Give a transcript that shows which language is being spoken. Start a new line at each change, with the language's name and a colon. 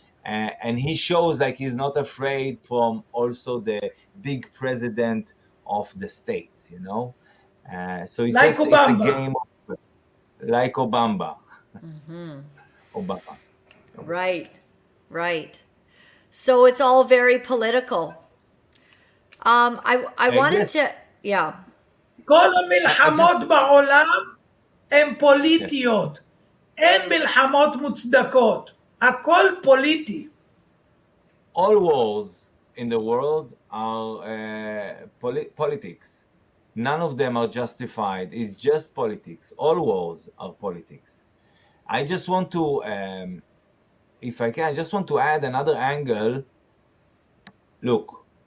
English: And he shows like he's not afraid from also the big president of the states, you know? So it's like just, Obama. It's a game of, like Obama. Mm-hmm. Obama. Right, right. So it's all very political. I wanted to, yeah.
Hebrew: כל המלחמות בעולם הן פוליטיות. אין מלחמות מוצדקות. הכל פוליטי.
English: All wars in the world are politics. None of them are justified. It's just politics. All wars are politics. I just want to, if I can, I just want to add another angle. Look,